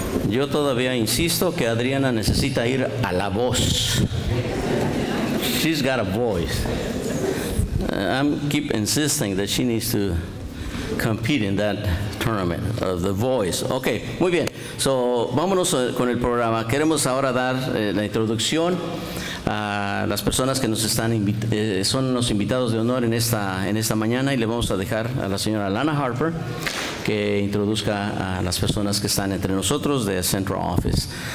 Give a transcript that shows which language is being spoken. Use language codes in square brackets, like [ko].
[es] Yo todavía insisto que Adriana necesita ir a la voz. [en] She's got a voice. I keep insisting that she needs to compete in that tournament of the voice. [es] Okay, muy bien. So, vámonos con el programa. Queremos ahora dar la introducción a las personas que nos están son los invitados de honor en esta mañana, y le vamos a dejar a la señora Lana Harper que introduzca a las personas que están entre nosotros de Central Office.